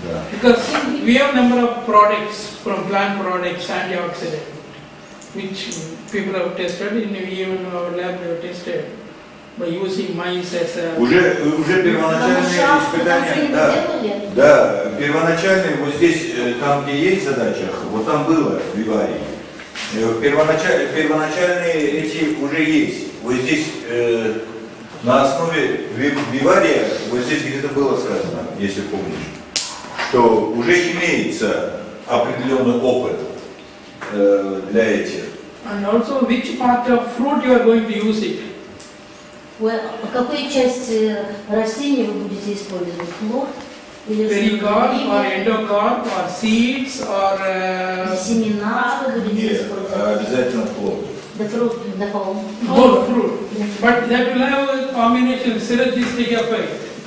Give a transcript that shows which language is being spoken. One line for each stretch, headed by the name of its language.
English: Because we have number of products from plant products, antioxidant, which people have tested, in even our lab we have tested by using mice as a...
Russian: Уже первоначальные испытания, да. Да, первоначальные, вот здесь, там где есть задача, вот там было виварий. Первоначальные эти уже есть. Вот здесь на основе вивария, вот здесь где-то было сказано, если помнишь. Что уже имеется определенный опыт для этих.
English: And also which part of fruit you are going to use it?
Russian: Well, какую часть растения вы будете использовать? Плод или
English: перикарп, or эндокарп, or seeds, or
Russian: семена вы будете использовать? Обязательно плод.
English: The fruit, the whole. Whole fruit. But that will have a combination synergistic effect.